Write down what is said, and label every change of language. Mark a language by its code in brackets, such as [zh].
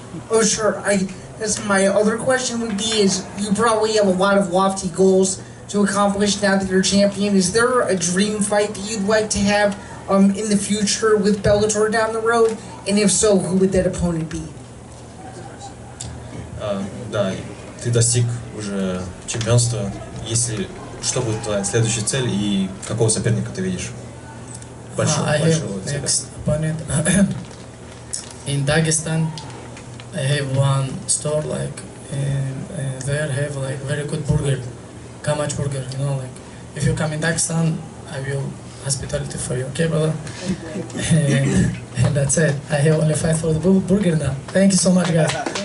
[en] Oh, sure. I guess my other question would be is you probably have a lot of lofty goals to accomplish now that you're champion. Is there a dream fight that you'd like to have in the future with Bellator down the road? And if so, who would that opponent be? [ru] Да, ты достиг уже чемпионства. Если что будет твоя следующая цель и какого соперника ты видишь? [en] Next opponent. In Dagestan, I have one store like, and there have like very good burger, Kamach burger. You know, like if you come in Dagestan, I will hospitality for you. Okay, brother. And that's it. I have only fight for the burger now. Thank you so much, guys.